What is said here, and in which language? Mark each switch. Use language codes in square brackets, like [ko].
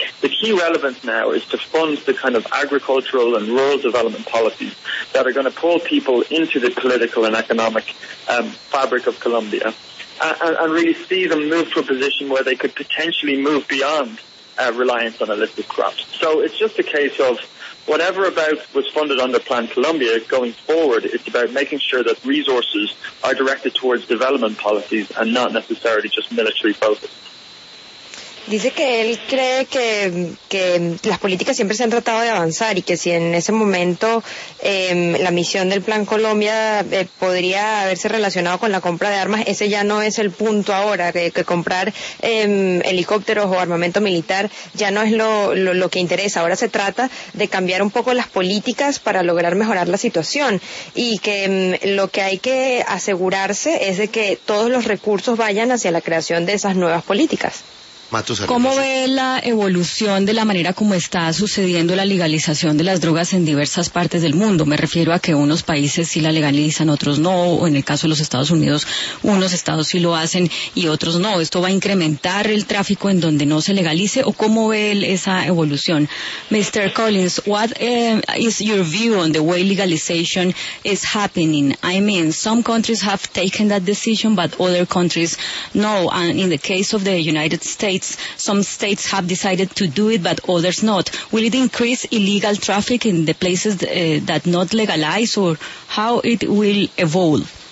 [en] The key relevance now is to fund the kind of agricultural and rural development policies that are going to pull people into the political and economic fabric of Colombia and really see them move to a position where they could potentially move beyond reliance on illicit crops. So it's just a case of whatever about was funded under Plan Colombia going forward, it's about making sure that resources are directed towards development policies and not necessarily just military focus. [es] Dice que él cree que las políticas siempre se han tratado de avanzar y que si en ese momento la misión del Plan Colombia podría haberse relacionado con la compra de armas, ese ya no es el punto ahora, que comprar helicópteros o armamento militar ya no es lo que interesa. Ahora se trata de cambiar un poco las políticas para lograr mejorar la situación y que lo que hay que asegurarse es de que todos los recursos vayan hacia la creación de esas nuevas políticas. ¿Cómo ve la evolución de la manera como está sucediendo la legalización de las drogas en diversas partes del mundo? Me refiero a que unos países sí la legalizan, otros no, o en el caso de los Estados Unidos, unos estados sí lo hacen y otros no. ¿Esto va a incrementar el tráfico en donde no se legalice, o cómo ve él esa evolución? [en] Mr. Collins, what is your view on the way legalization is happening? I mean, some countries have taken that decision, but other countries no. And in the case of the United States, some states have decided to do it, but others not. Will it increase illegal traffic in the places that not legalize, or how it will evolve?